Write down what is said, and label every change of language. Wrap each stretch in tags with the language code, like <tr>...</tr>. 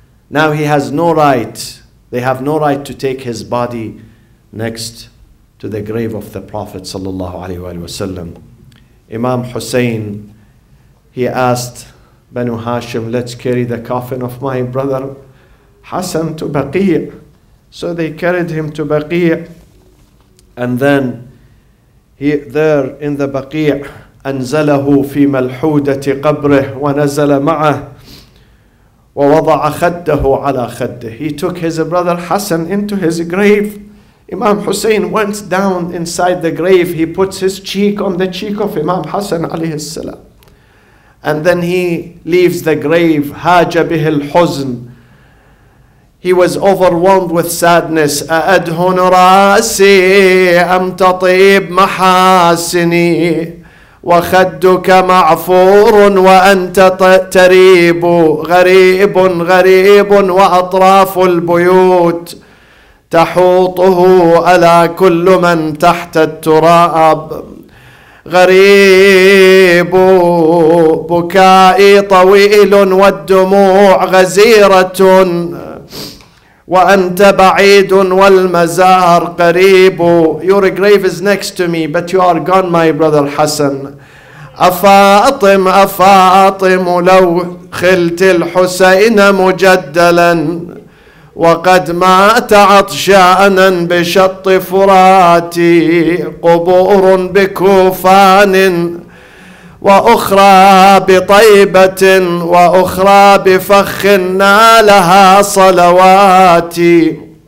<en>Now he has no right. They have no right to take his body next to the grave of the Prophet sallallahu alaihi wasallam. Imam Hussein, he asked Banu Hashim, let's carry the coffin of my brother Hassan to Baqi'. So they carried him to Baqi'. And then he there in the Baqi',</en> <ar>أنزله في ملحودة قبره ونزل معه ووضع خده على خده.</ar> <en>He took his brother Hassan into his grave. Imam Hussein went down inside the grave. He puts his cheek on the cheek of Imam Hassan</en> <ar>عليه السلام.</ar> <en>And then he leaves the grave.</en> <ar>هاج به الحزن.</ar> <en>He was overwhelmed with sadness.</en> <ar>أأدهن رأسي أم تطيب محاسني. وخدك معفور وأنت تريب غريب غريب وأطراف البيوت تحوطه ألا كل من تحت التراب غريب بكائي طويل والدموع غزيرة وأنت بعيد والمزار قريب.</ar> <en>Your grave is next to me, but you are gone, my brother Hassan.</en> <ar>أفاطم أفاطم لو خلت الحسين مجدلا وقد مات عطشانا بشط فراتي قبور بكوفان وأخرى بطيبة وأخرى بفخ نالها صلواتي</ar>